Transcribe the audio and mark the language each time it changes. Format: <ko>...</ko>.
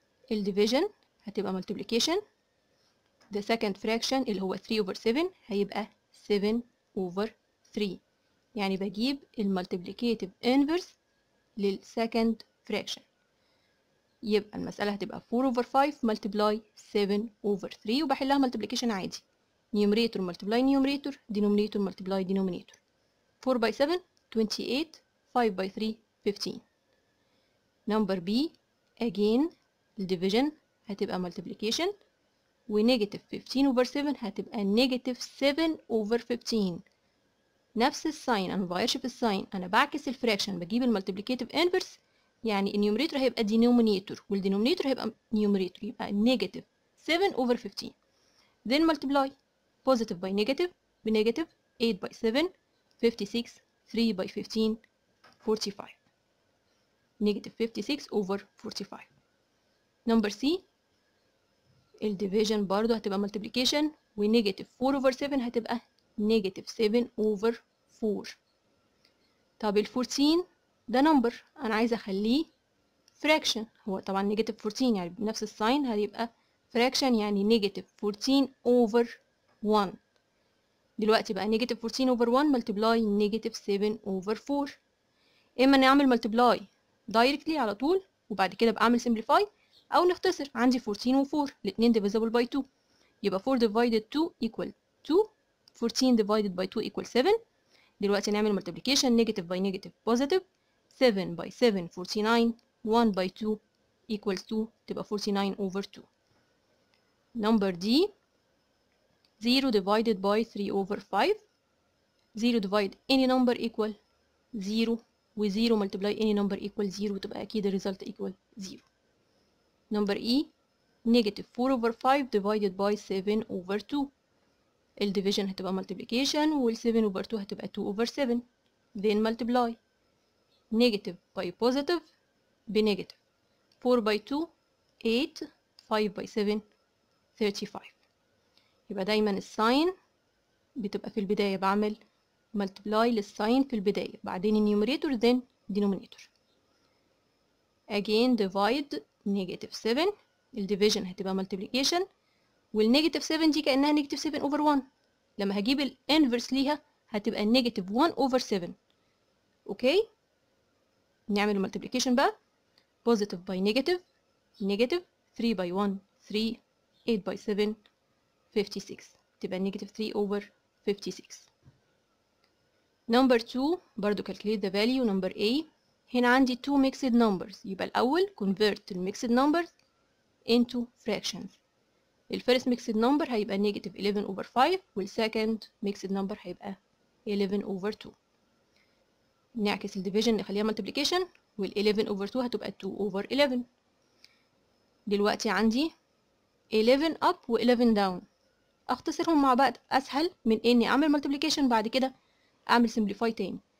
<ar>ال division هتبقى multiplication.</ar> <en>The second fraction</en> <ar>اللي هو</ar> <en>3 over 7 هيبقى 7 over 3.</en> <ar>يعني بجيب المultiplicative inverse للsecond fraction. يبقى المسألة هتبقى 4 over 5 multiply 7 over 3 وبحلها multiplication عادي.</ar> <en>Numerator multiply numerator, denominator multiply denominator. 4 by 7, 28, 5 by 3, 15. Number B, again, division, هتبقى multiplication. Negative 15 over 7, هتبقى negative 7 over 15.</en> <ar>نفس السين, أنا بغيرش في السين, أنا بعكس الفراكشن, بجيب المultiplicative inverse, يعني النيوميريتور هيبقى denominator, والdenominator هيبقى numerator, يبقى</ar> <en>negative 7 over 15. Then multiply. Positive by negative, negative, 8 by 7, 56, 3 by 15, 45. Negative 56 over 45. Number C, ال division برضو هتبقى multiplication, negative 4 over 7 هتبقى negative 7 over 4.</en> <ar>طب ال 14, ده number, أنا عايز أخليه fraction, هو طبعا negative 14, يعني بنفس السين هيبقى fraction, يعني</ar> <en>negative 14 over 1. دلوقتي بقى negative 14 over 1 multiply negative 7 over 4.</en> <ar>إما نعمل</ar> <en>multiply directly</en> <ar>على طول وبعد كده بعمل simplify أو نختصر.</ar> <en>عندي 14 و 4 الاثنين divisible by 2, يبقى 4 divided 2 equal 2, 14 divided by 2 equal 7.</en> <ar>دلوقتي نعمل</ar> <en>multiplication negative by negative positive, 7 by 7 49, 1 by 2 equals 2, تبقى 49 over 2. Number D, 0 divided by 3 over 5. 0 divide any number equal 0, و 0 multiply any number equal 0,</en> <ar>تبقى أكيد</ar> <en>result equal 0. Number E, negative 4 over 5 divided by 7 over 2. ال division هتبقى multiplication, وال 7 over 2 هتبقى 2 over 7. Then multiply. Negative by positive, بنegative. 4 by 2, 8. 5 by 7, 35.</en> <ar>يبقى دايما الساين بتبقى في البداية, بعمل multiply للساين في البداية, بعدين النيوميريتور, then denominator.</ar> <en>Again divide negative 7, ال division هتبقى multiplication, وال negative 7 دي كأنها negative 7 over 1, لما هجيب ال inverse ليها هتبقى negative 1 over 7.</en> <ar>اوكي, نعمل multiplication بقى.</ar> <en>positive by negative, negative, 3 by 1, 3, 8 by 7, 56, تبقى negative 3 over 56. Number 2, برضو calculate the value. Number A, هنا عندي 2 mixed numbers, يبقى الأول convert the mixed numbers into fractions. ال first mixed number هيبقى negative 11 over 5, وال second mixed number هيبقى 11 over 2.</en> <ar>نعكس ال division نخليها multiplication, وال 11 over 2 هتبقى 2 over 11. دلوقتي عندي</ar> <en>11 up</en> <ar>و 11 down, اختصرهم مع بعض اسهل من اني اعمل multiplication بعد كده اعمل simplify تاني.</ar>